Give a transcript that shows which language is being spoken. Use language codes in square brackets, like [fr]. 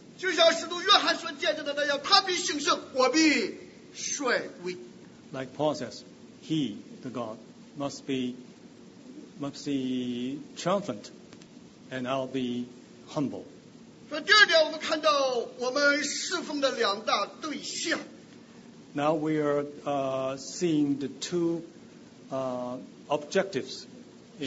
[zh] 就像使徒约翰所见证的那样，他必兴盛，我必衰微。 [en] Like Paul says, he, the God, must be triumphant, and I'll be humble. [zh] 所以第二点，我们看到我们侍奉的两大对象。 [en] Now we are seeing the two objectives in our service.